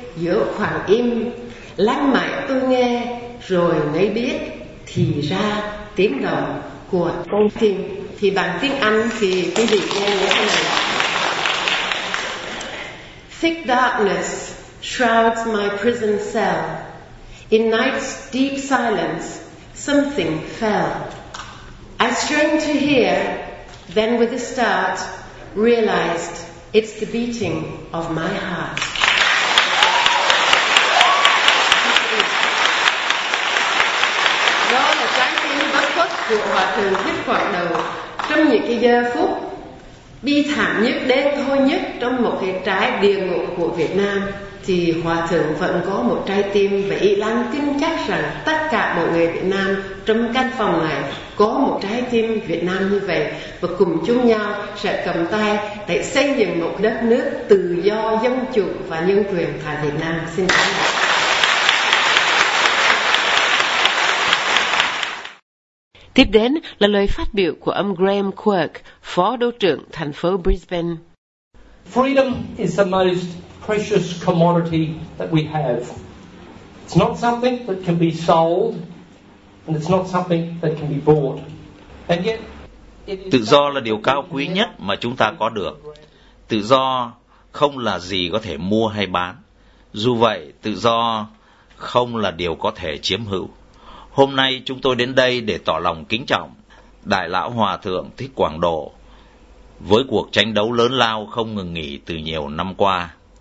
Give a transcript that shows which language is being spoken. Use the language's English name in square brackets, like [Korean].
[Vietnamese] giữa khoảng im. Lát mãi tôi nghe rồi mới biết thì ra tiếng đồng của con tim. Thì bằng tiếng Anh thì quý vị nghe như thế này: [English] Thick darkness shrouds my prison cell. In night's deep silence, something fell. I strained to hear, then with a start, realized it's the beating of my heart. [Vietnamese] Đó là trái tim bất khuất của Hòa Thượng Thích Quảng Đầu trong những cái giờ phút bi thảm nhất, đen thôi nhất trong một cái trái địa ngục của Việt Nam. Thì Hòa Thượng vẫn có một trái tim, và Y Lan tin chắc rằng tất cả mọi người Việt Nam trong căn phòng này có một trái tim Việt Nam như vậy, và cùng chung nhau sẽ cầm tay để xây dựng một đất nước tự do, dân chủ và nhân quyền tại Việt Nam. Xin cảm ơn. Tiếp đến là lời phát biểu của ông Graham Quirk, phó đô trưởng thành phố Brisbane. [English] Freedom is the most precious commodity that we have. It's not something that can be sold, and it's not something that can be bought. And yet, [Vietnamese] tự do là điều cao quý nhất mà chúng ta có được. Tự do không là gì có thể mua hay bán. Dù vậy, tự do không là điều có thể chiếm hữu. Hôm nay chúng tôi đến đây để tỏ lòng kính trọng Đại lão Hòa Thượng Thích Quảng Độ với cuộc tranh đấu lớn lao không ngừng nghỉ từ nhiều năm qua.